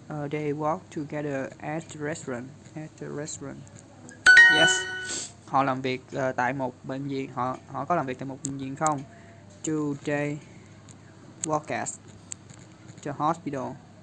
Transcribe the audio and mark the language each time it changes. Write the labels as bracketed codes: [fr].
[en] They work together at the restaurant. At the restaurant. Yes. [vi] Họ làm việc tại một bệnh viện. Họ có làm việc tại một bệnh viện không? [en] Do they work at the hospital?